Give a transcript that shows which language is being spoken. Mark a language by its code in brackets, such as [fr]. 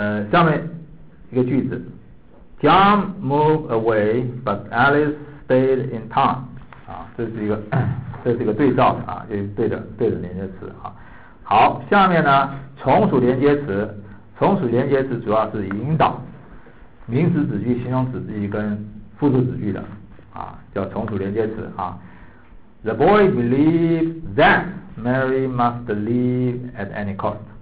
[zh] 下面一个句子 [en] ，John moved away, but Alice stayed in town。 [zh] 啊，这是一个对照啊，就是对着连接词啊。好，下面呢，从属连接词，从属连接词主要是引导名词子句、形容词子句跟复数子句的啊，叫从属连接词啊。 [en] The boy believed that Mary must leave at any cost。